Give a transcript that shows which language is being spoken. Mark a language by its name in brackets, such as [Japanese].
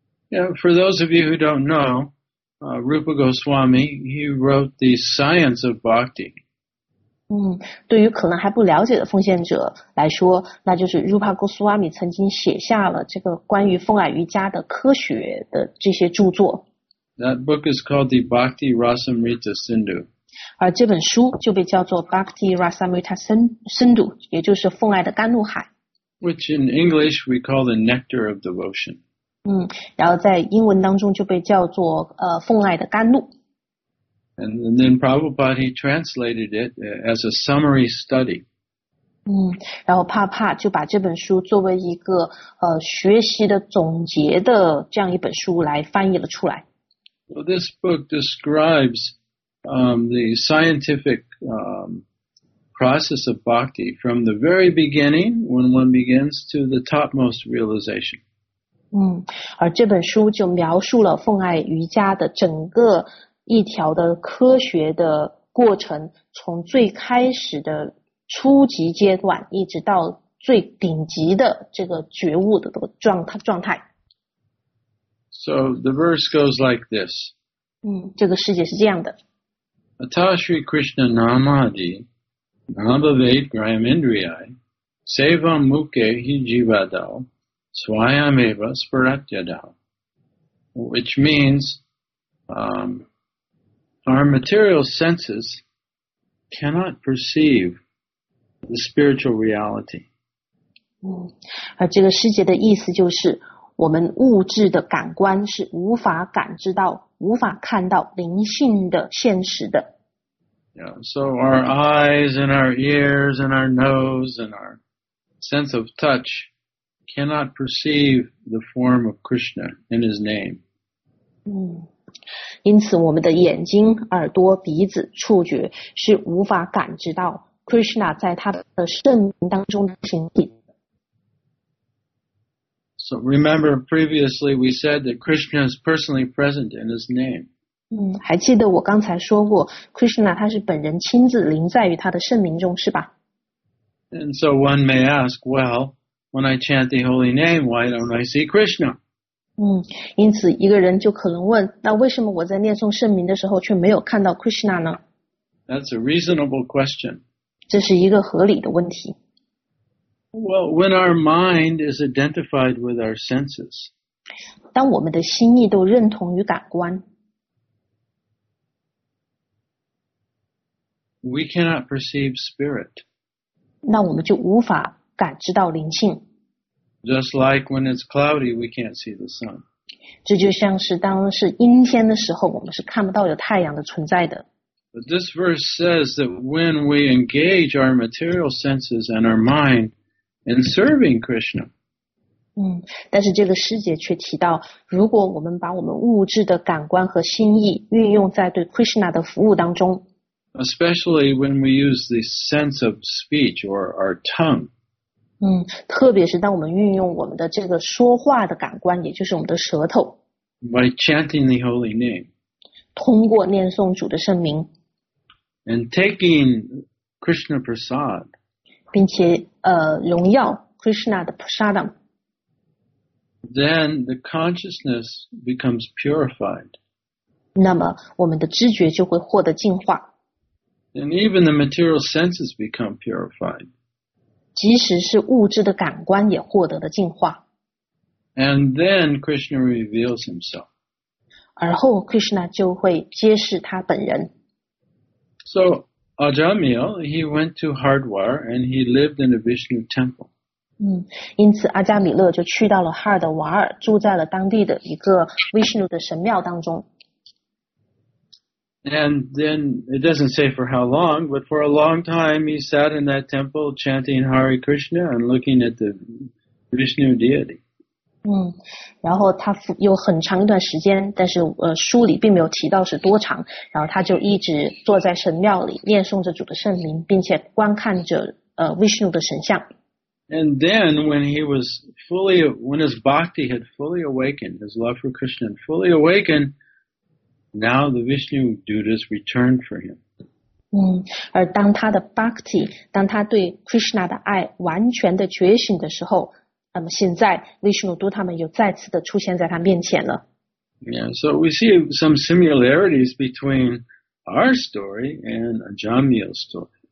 [English] Yeah, for those of you who don't know, Rupa Goswami, he wrote the Science of Bhakti. [Chinese] 对于可能还不了解的奉献者来说，那就是 Rupa Goswami 曾经写下了这个关于奉爱瑜伽的科学的这些著作。 [English] That book is called the Bhakti Rasamrita Sindhu. [Chinese] 而这本书就被叫做 Bhakti Rasamrita Sindhu, 也就是奉爱的甘露海。 [English] Which in English we call the Nectar of Devotion. [Chinese] 然后在英文当中就被叫做奉爱的甘露。 [English] And then Prabhupada translated it as a summary study. [Chinese] 然后帕帕就把这本书作为一个学习的总结的这样一本书来翻译了出来。 [English] So this book describes the scientific process of bhakti from the very beginning when one begins to the topmost realization. [Chinese] 而这本书就描述了奉爱瑜伽的整个一条的科学的过程，从最开始的初级阶段一直到最顶级的这个觉悟的状态。 [English] So the verse goes like this. [Chinese] 这个世界是这样的。 [Sanskrit] Atashri Krishna Namadi Nabhavet Grahamindriyai Seva Mukhe Hijivadau Swayameva Sparatyadau. [English] Which means, our material senses cannot perceive the spiritual reality. [Chinese] 而这个师姐的意思就是，我们物质的感官是无法感知到、无法看到灵性的现实的。 [English] Yeah, so our eyes and our ears and our nose and our sense of touch cannot perceive the form of Krishna in his name. [Chinese] 因此我们的眼睛、耳朵、鼻子、触觉是无法感知到 Krishna 在他的圣名当中的形体。 [English] So remember previously we said that Krishna is personally present in his name. [Chinese] 还记得我刚才说过，Krishna 他是本人亲自临在于他的圣名中，是吧？ [English] And so one may ask, well, when I chant the holy name, why don't I see Krishna? [Chinese] 因此一个人就可能问，那为什么我在念诵圣名的时候却没有看到 Krishna 呢？ [English] That's a reasonable question. [Chinese] 这是一个合理的问题。 [English] Well, when our mind is identified with our senses, [Chinese] 当我们的心意都认同于感官。 [English] We cannot perceive spirit. [Chinese] 那我们就无法感知到灵性。 [English] Just like when it's cloudy, we can't see the sun. [Chinese] 这就像是当是阴天的时候，我们是看不到有太阳的存在的。 [English] But this verse says that when we engage our material senses and our mind in serving Krishna. [Chinese] 但是这个师姐却提到，如果我们把我们物质的感官和心意运用在对 Krishna 的服务当中。 [English] Especially when we use the sense of speech or our tongue. [Chinese] 特别是当我们运用我们的这个说话的感官，也就是我们的舌头。 [English] By chanting the holy name. [Chinese] 通过念诵主的圣名。 [English] And taking Krishna prasad. [Chinese] 并且荣耀 Krishna 的 prasadam。 [English] Then the consciousness becomes purified. [Chinese] 那么我们的知觉就会获得净化。 [English] And even the material senses become purified. [Chinese] 即使是物质的感官也获得了净化。 [English] And then Krishna reveals himself. [Chinese] 而后 Krishna 就会揭示他本人。 [English] So Ajamil, he went to Hardwar and he lived in a Vishnu temple. [Chinese] 因此阿加米勒就去到了哈尔德瓦尔，住在了当地的一个 Vishnu 的神庙当中。 [English] And then it doesn't say for how long, but for a long time he sat in that temple chanting Hare Krishna and looking at the Vishnu deity. [Chinese] 然后他有很长一段时间，但是书里并没有提到是多长，然后他就一直坐在神庙里念诵着主的圣名，并且观看着Vishnu 的神像。 [English] And then when he was fully, when his bhakti had fully awakened, his love for Krishna had fully awakened,Now the Vishnu Dutas returned for him. [Chinese] 而当他的 Bhakti, 当他对 Krishna 的爱完全的觉醒的时候，那么现在 Vishnu Duta 们又再次的出现在他面前了。 [English] Yeah, so we see some similarities between our story and Ajamil's story.